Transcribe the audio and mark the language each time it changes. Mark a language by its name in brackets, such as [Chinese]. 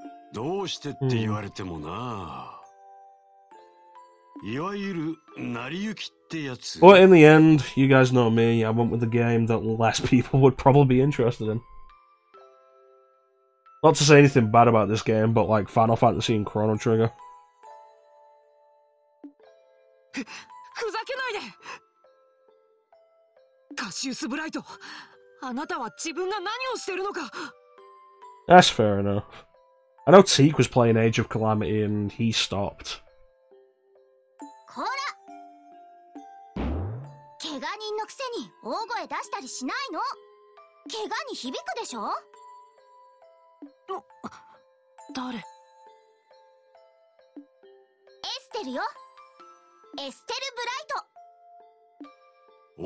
[Japanese] どうしてって言われてもな、うん、いわゆる成り行きってやつ。 [English] Well, in the end, you guys know me. I went with a game that less people would probably be interested in. Not to say anything bad about this game, but like Final Fantasy and Chrono Trigger. [Japanese] ふざけないで。カシウスブライト、あなたは自分が何をしてるのか。 [English] That's fair enough. I know Teek was playing Age of Calamity and he stopped. [Japanese] こら！怪我人のくせに大声出したりしないの？怪我に響くでしょ？誰？エステルよ。エステル・ブライト。